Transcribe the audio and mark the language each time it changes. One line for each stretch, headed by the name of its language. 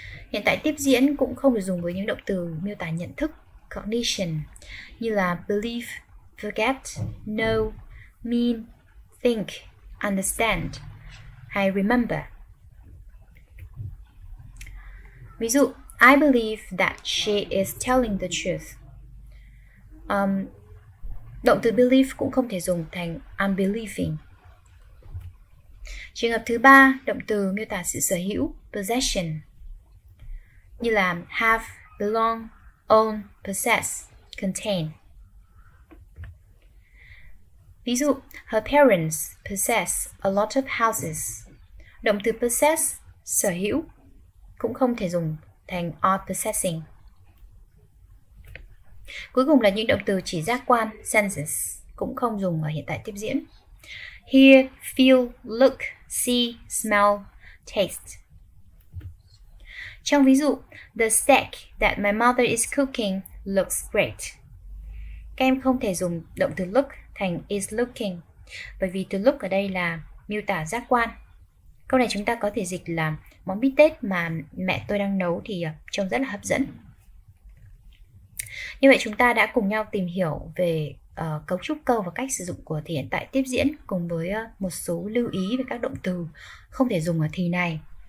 Vietnamese: Hiện tại tiếp diễn cũng không được dùng với những động từ miêu tả nhận thức, cognition, như là believe, forget, know, mean, think, understand hay remember. Ví dụ,
English: I believe that she is telling the truth.
Vietnamese: Động từ believe cũng không thể dùng thành
English: I'm believing.
Vietnamese: Trường hợp thứ ba, động từ miêu tả sự sở hữu, possession, như là have, belong, own, possess, contain.
English: Ví dụ, her parents possess a lot of houses.
Vietnamese: Động từ possess, sở hữu, cũng không thể dùng thành
English: are possessing.
Vietnamese: Cuối cùng là những động từ chỉ giác quan, senses, cũng không dùng ở hiện tại tiếp diễn.
English: Hear, feel, look, see, smell, taste.
Vietnamese: Trong ví dụ,
English: the steak that my mother is cooking looks great.
Vietnamese: Các em không thể dùng động từ look thành
English: is looking,
Vietnamese: bởi vì từ look ở đây là miêu tả giác quan. Câu này chúng ta có thể dịch là món bít tết mà mẹ tôi đang nấu thì trông rất là hấp dẫn. Như vậy chúng ta đã cùng nhau tìm hiểu về cấu trúc câu và cách sử dụng của thì hiện tại tiếp diễn, cùng với một số lưu ý về các động từ không thể dùng ở thì này.